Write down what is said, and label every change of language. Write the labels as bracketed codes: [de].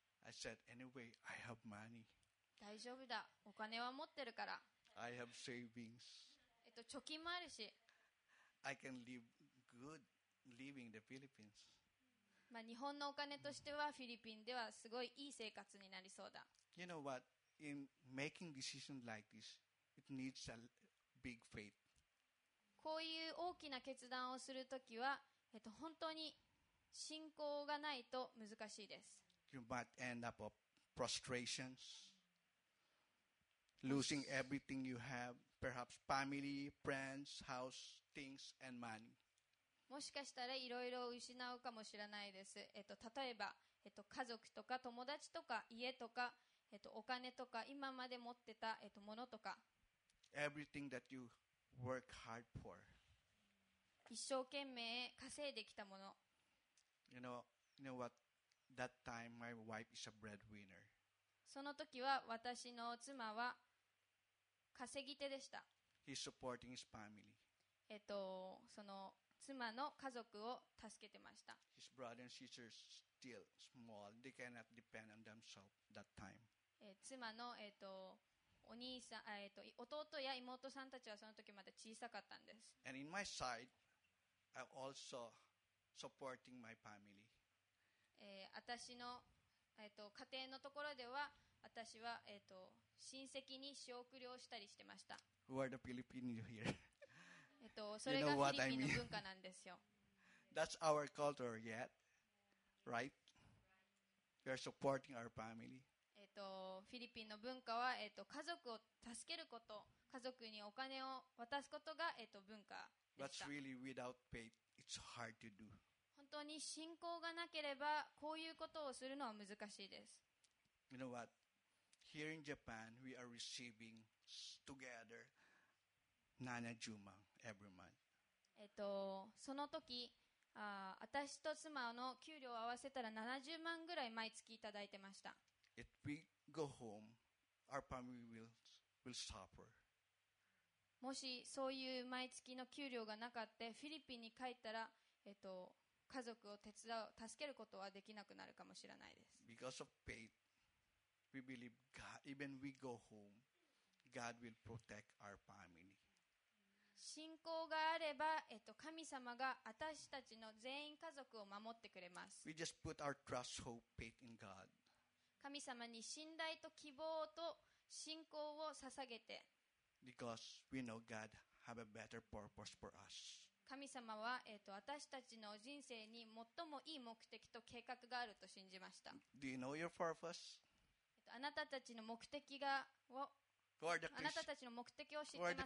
[en] I said, anyway, I have money. [ja] 大丈夫だ、お金は持ってるから。 [en] I have savings. [ja] 貯金もあるし、 [en] I can live good living the Philippines. [ja] まあ日本のお金としてはフィリピンではすごいいい生活になりそうだ。 [en] You know what? In making decisions like this, it needs a big faith. [ja] こういう大きな決断をするときは、本当に信仰がないと難しいです。 [en] You might end up with frustrations, losing everything you have. Perhaps family, friends, house, things, and money. [ja] もしかしたらいろいろ失うかもしれないです。例えば、家族とか友達とか家とか、お金とか今まで持ってた、ものとか。 [en] Everything that you work hard for. [ja] 一生懸命稼いできたもの。 [en] You know what? That time my wife is a breadwinner. [ja] その時は私の妻は稼ぎ手でした。 [en] He's supporting his family. [ja] その妻の家族を助けてました。 [en] His brother and sister is still small. They cannot depend on themselves that time. [ja] 妻の、お兄さん、弟や妹さんたちはその時まだ小さかったんです。 [en] And in my side, I'm also supporting my family. [ja] 私の、家庭のところでは私は、親戚に仕送りをしたりしてました。 [en] Who are the Filipinos here? [ja] それがフィリピンの文化なんですよ。 [en] That's our culture yet, right? We are supporting our family. [ja] フィリピンの文化は、家族を助けること、家族にお金を渡すことが、文化でした。 [en] That's really without faith, it's hard to do. [ja] 本当に信仰がなければこういうことをするのは難しいです。 [en] You know what? Here in Japan, we are receiving together Nana Juma every month. [ja] その時、私と妻の給料を合わせたら70万ぐらい毎月いただいてました。 [en] If we go home, our family will suffer. [ja] もしそういう毎月の給料がなかったフィリピンに帰ったら、家族を手伝う、助けることはできなくなるかもしれないです。 [en] Because of faith. We believe God, even we go home, God will protect our family. [ja] 信仰があれば、神様が私たちの全員家族を守ってくれます。 [en] We just put our trust, hope, faith in God. [ja] 神様に信頼と希望と信仰を捧げて。 [en] Because we know God have a better purpose for us. [ja] 神様は、私たちの人生に最もいい目的と計画があると信じました。 [en] Do you know your purpose? [ja] あなたたちの目的が、あなたたちの目的を知ってますか？